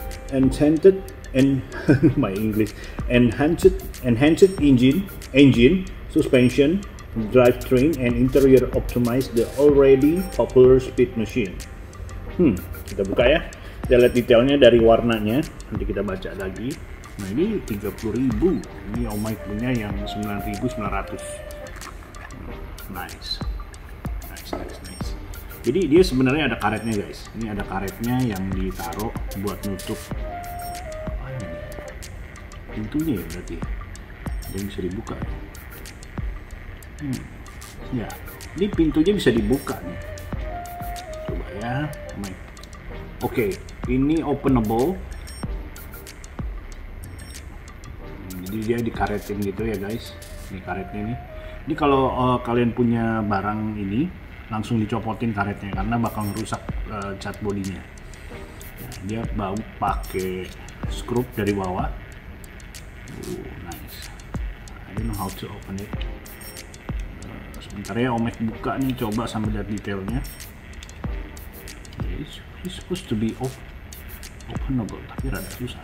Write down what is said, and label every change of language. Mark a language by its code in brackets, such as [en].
[en] enhanced and my English enhanced engine suspension drivetrain and interior optimized the already popular speed machine. [id] Kita buka ya, kita lihat detailnya dari warnanya, nanti kita baca lagi. Nah, ini 30.000, ini Om Mike punya yang 9.900. Nice. Nice. Jadi dia sebenarnya ada karetnya guys. Ini ada karetnya yang ditaruh buat nutup pintunya ya berarti. Ada yang bisa dibuka. Ya, ini pintunya bisa dibuka nih. Coba ya. Oke, ini openable. Jadi dia dikaretin gitu ya guys. Ini karetnya nih. Ini kalau kalian punya barang ini, langsung dicopotin karetnya karena bakal ngerusak cat bodinya. Nah, dia bau pakai skrup dari bawah. Nice. [en] I don't know how to open it. [id] Sebentar ya, Om Mike buka nih, coba sambil lihat detailnya. [en] It's supposed to be openable, [id] tapi rada susah.